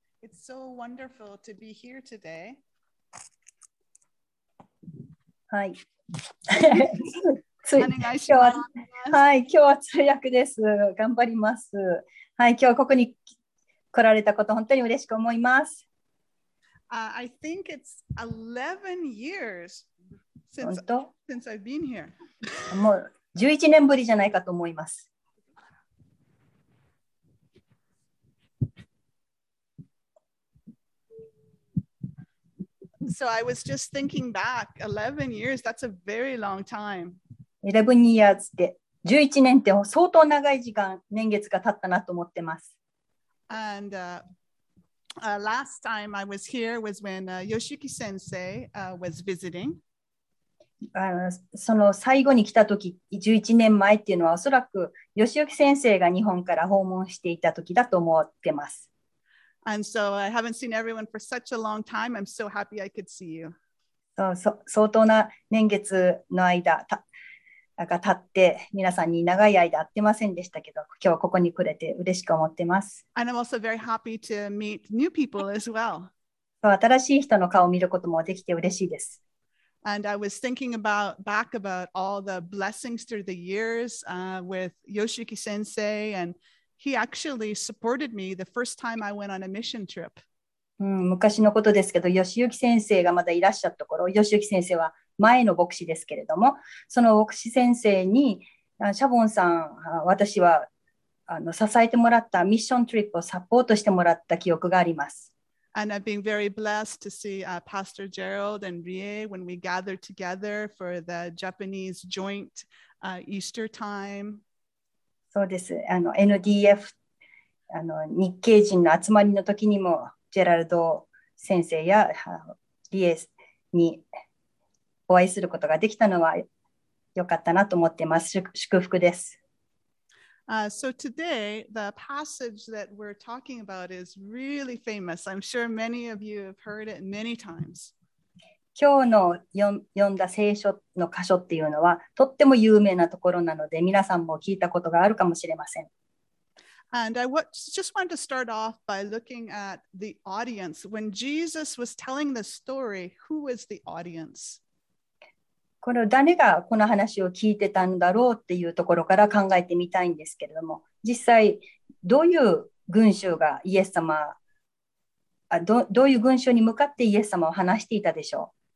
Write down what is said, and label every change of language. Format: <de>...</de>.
<en>It's so wonderful to be here today.</en> <ja>はい。つい、今日は、はい、今日は通訳です。頑張ります。はい、今日ここに来られたこと、本当に嬉しく思います。</ja> <en>I think it's 11 years since I've been here.</en> <ja>もう11年ぶりじゃないかと思います。</ja> <en>So I was just thinking back, 11 years, that's a very long time. 11 years</en> <ja>って、11年って相当長い時間、年月が経ったなと思ってます。</ja> <en>And last time I was here was when Yoshiki Sensei was visiting.</en> <ja>その最後に来た時、11年前っていうのはおそらく Yoshiki Sensei が日本から訪問していた時だと思ってます。</ja> <en>And so I haven't seen everyone for such a long time. I'm so happy I could see you.</en> <ja>そう、相当な年月の間が経って皆さんに長い間会ってませんでしたけど、今日はここに来れて嬉しく思ってます。</ja> <en>And I'm also very happy to meet new people as well.</en> <ja>そう、新しい人の顔を見ることもできて嬉しいです。</ja> <en>And I was thinking about all the blessings through the years with Yoshiki Sensei and He actually supported me the first time I went on a mission trip.</en> <ja>昔のことですけど、吉行先生がまだいらっしゃった頃、吉行先生は前の牧師ですけれども、その牧師先生に、シャボンさん、私は支えてもらったミッショントリップをサポートしてもらった記憶があります。</ja> <en>And I've been very blessed to see Pastor Gerald and Rie when we gathered together for the Japanese joint Easter time.</en> <ja>そうです。 NDF 日系人の集まりの時にもジェラルド先生やリエにお会いすることができたのは良かったなと思っています。祝福です。</ja> <en>So today the passage that we're talking about is really famous. I'm sure many of you have heard it many times.</en> <ja>今日の読んだ聖書の箇所っていうのはとっても有名なところなので皆さんも聞いたことがあるかもしれません。</ja> <en>And I just want to start off by looking at the audience. When Jesus was telling the story, who was the audience?</en> <ja>これ誰がこの話を聞いてたんだろうっていうところから考えてみたいんですけれども、実際どういう群衆がイエス様、どういう群衆に向かってイエス様を話していたでしょう。</ja>